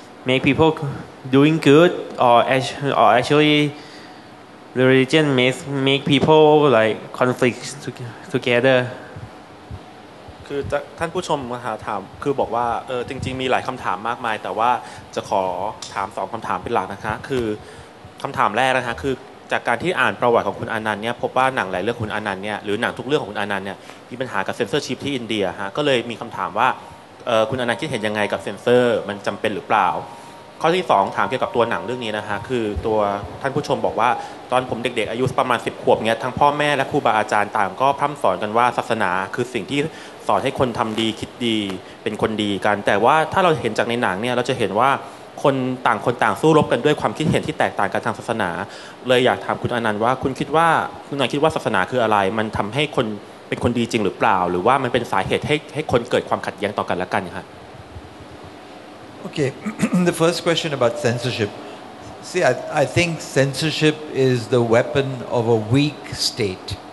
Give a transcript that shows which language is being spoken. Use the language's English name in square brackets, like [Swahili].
[English] Make people doing good or actually the religion make people like conflict together [Thai] คือท่านผู้ชมถามคือบอกว่าจริงๆมีหลายคำถามมากมายแต่ว่าจะขอถามสองคำถามเป็นหลักนะคะคือคำถามแรกนะคะคือจากการที่อ่านประวัติของคุณอนันต์เนี่ยพบว่าหนังหลายเรื่องคุณอนันต์เนี่ยหรือหนังทุกเรื่องของคุณอนันต์เนี่ยมีปัญหากับเซนเซอร์ชิพที่อินเดียฮะก็เลยมีคำถามว่า คุณอนันต์คิดเห็นยังไงกับเซนเซอร์มันจำเป็นหรือเปล่าข้อที่2ถามเกี่ยวกับตัวหนังเรื่องนี้นะฮะคือตัวท่านผู้ชมบอกว่าตอนผมเด็กๆอายุประมาณ10ขวบเนี้ยทั้งพ่อแม่และครูบาอาจารย์ต่างก็พร่ำสอนกันว่าศาสนาคือสิ่งที่สอนให้คนทำดีคิดดีเป็นคนดีกันแต่ว่าถ้าเราเห็นจากในหนังเนี่ยเราจะเห็นว่าคนต่างคนต่างสู้รบกันด้วยความคิดเห็นที่แตกต่างกันทางศาสนา เลยอยากถามคุณอนันต์ว่าคุณอนันต์คิดว่าศาสนาคืออะไรมันทำให้คนเป็นคนดีจริงหรือเปล่าหรือว่ามันเป็นสาเหตุให้คนเกิดความขัดแย้งต่อกันและกันครับ [English] โอเค the first question about censorship see I think censorship is the weapon of a weak state